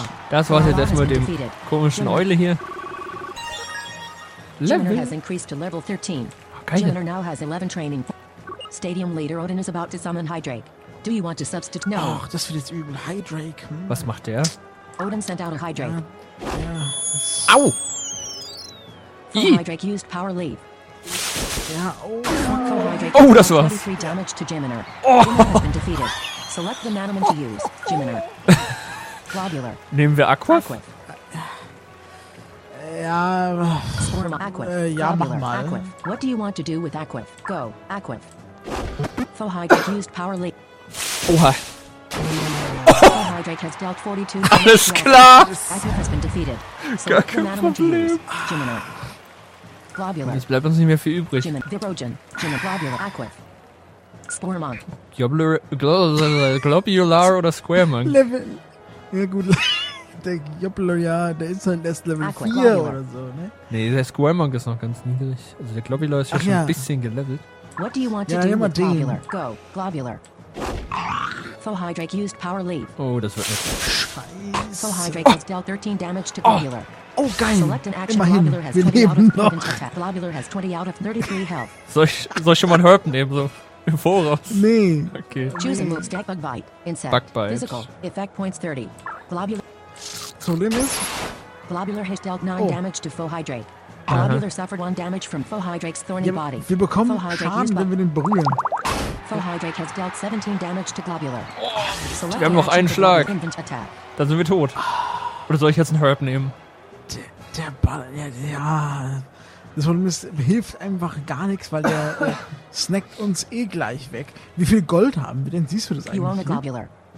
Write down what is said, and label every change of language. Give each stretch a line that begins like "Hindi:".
German: Das war's jetzt erstmal mit dem komischen Eule hier.
English: Geminer has increased to level 13.
German: Geil.
English: Geminer now has 11 training. Stadium leader Odin is about to summon Hydrake. Do you want to substitute? No.
German: Ach, das wird jetzt übel. Hydrake. Was macht der?
English: Odin sent out a Hydrake. Au! From Hydrake used power leap.
German: Ja, oh, das war's.
English: 23 damage to Geminer.
German: Oh.
English: Geminer has been defeated. Select the Manamon to use.
German: Geminer. Globular. Nehmen wir Aqua? Ja. Machen mal. Aquif.
English: What do you want to do with Aqua? Go, Aqua. From Hydrake used power leap. Oha. Oh. Hydrake has dealt 42.
German: Alles klar.
English: Hydrake has been defeated.
German: So gar kein Problem. Globular. Jetzt bleibt uns nicht mehr viel übrig. Vibrogen. Globular. Aquif. Spormont. Globular oder Squaremont? Level. Ja gut. Der Globular, ja, der ist halt erst Level 4 oder so, ne? Nee, der Squaremont ist noch ganz niedrig. Also der Globular ist ja schon ein bisschen gelevelt.
English: What do you want to do with Globular? Go, Globular. So Hydrake used power leap.
German: Oh, das wird nicht. Scheiße.
English: So Hydrake has dealt 13 damage to Globular.
German: Oh, geil.
English: Select an action. Immerhin. Globular has 20 out of 33 Globular has 20 out of 33 health.
German: Soll ich schon mal einen Herb nehmen, so im Voraus? Nee.
English: Okay. Choose a move, stack bug bite. Insect. Bug bite. Physical. Effect points 30.
German: Globular. Problem ist.
English: Globular has dealt 9 damage to Faux Hydrake. Globular suffered 1 damage from Faux Hydrake's thorny body.
German: Wir bekommen Schaden, wenn wir den berühren.
English: Faux Hydrake has dealt 17 damage to Globular.
German: Oh, wir haben noch einen Schlag. Dann sind wir tot. Oder soll ich jetzt einen Herb nehmen? Der Ball, ja. Das Problem ist, hilft einfach gar nichts, weil der snackt uns eh gleich weg. Wie viel Gold haben wir denn? Siehst du das eigentlich?
English: You own a Globular.